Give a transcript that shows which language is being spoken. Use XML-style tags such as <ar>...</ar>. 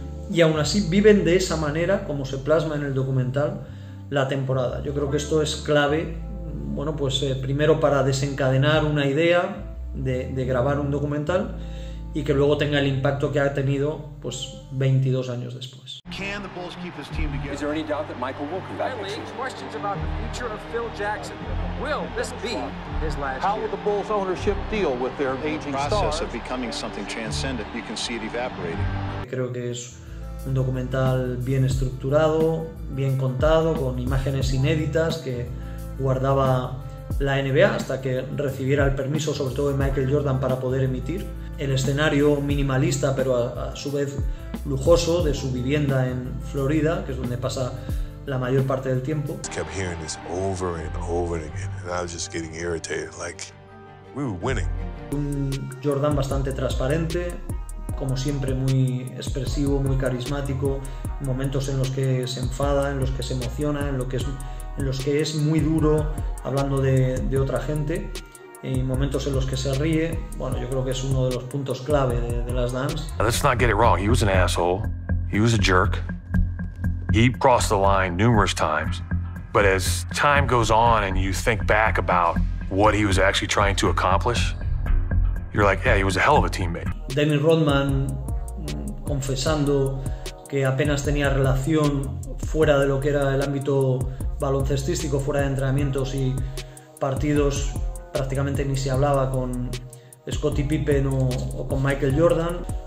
<es>Y aún así viven de esa manera, como se plasma en el documental, la temporada. Yo creo que esto es clave, bueno, pues primero para desencadenar una idea de grabar un documental y que luego tenga el impacto que ha tenido, pues, 22 años después.</es> <en>Can the Bulls keep this team together? Is there any doubt that Michael will come back next season? Questions about the future of Phil Jackson. Will this be his last year? How will the Bulls ownership deal with their aging star? The process of becoming something transcendent, you can see it evaporating.</en> <es>Creo que es un documental bien estructurado, bien contado, con imágenes inéditas que guardaba la NBA hasta que recibiera el permiso, sobre todo de Michael Jordan, para poder emitir. El escenario minimalista, pero a su vez lujoso, de su vivienda en Florida, que es donde pasa la mayor parte del tiempo.</es> <en>I kept hearing this over and over again, and I was just getting irritated, like, we were winning.</en> <es>Un Jordan bastante transparente, como siempre muy expresivo, muy carismático, momentos en los que se enfada, en los que se emociona, en los que es muy duro hablando de otra gente, y momentos en los que se ríe. Bueno, yo creo que es uno de los puntos clave de Last Dance.</es> <en>Let's not get it wrong. He was an asshole. He was a jerk. He crossed the line numerous times. But as time goes on and you think back about what he was actually trying to accomplish, you're like, yeah, he was a hell of a teammate.</en> <es>Dennis Rodman confesando que apenas tenía relación fuera de lo que era el ámbito baloncestístico, fuera de entrenamientos y partidos, prácticamente ni se hablaba con Scottie Pippen o con Michael Jordan.</es>